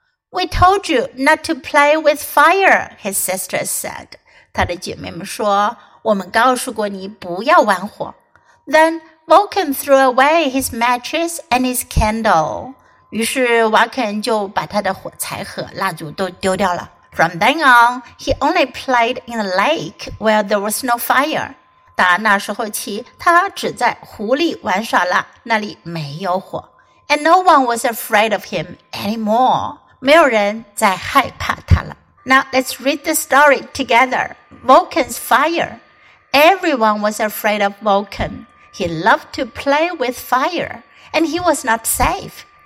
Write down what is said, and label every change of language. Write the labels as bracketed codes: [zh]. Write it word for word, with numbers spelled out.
[en] We told you not to play with fire, his sisters said. [zh] 她的姐妹们说，我们告诉过你不要玩火。 [en] Then Vulcan threw away his matches and his candle. [zh] 于是瓦肯就把他的火柴和蜡烛都丢掉了。 [en] From then on, he only played in the lake where there was no fire. [zh] 打那时候起，他只在湖里玩耍了，那里没有火。 [en] And no one was afraid of him anymore. [zh] 没有人再害怕他了。 [en] Now let's read the story together. Vulcan's fire. Everyone was afraid of Vulcan. He loved to play with fire, and he was not safe.